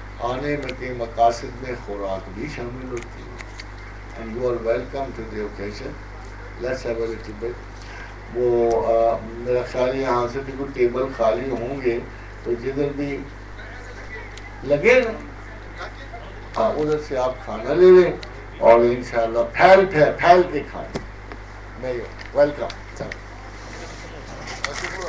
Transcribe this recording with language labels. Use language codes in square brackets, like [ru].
[ur] آنے میں کے مقاصد میں خوراک بھی شامل ہوتی ہے. [en] And you are welcome to the occasion. Let's have a little bit. [ur] وہ میرا خیال یہاں سے بھی کوئی ٹیبل خالی ہوں گے تو جدھر بھی لگے نا, ہاں ادھر سے آپ کھانا لے لیں اور ان شاء اللہ پھیل پھیل پھیل کے کھائیں. میں ویلکم. Thank you.